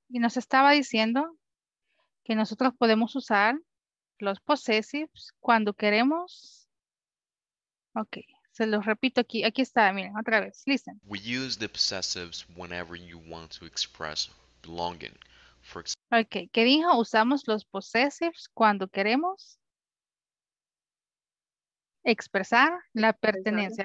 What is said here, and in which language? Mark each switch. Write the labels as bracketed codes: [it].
[es] Y nos estaba diciendo que nosotros podemos usar los possessives cuando queremos. Okay. Se los repito aquí. Aquí está, miren, otra vez. Listen. [en] We use the possessives whenever you want to express belonging. For example, [es] okay, ¿qué dijo? Usamos los possessives cuando queremos expresar la pertenencia.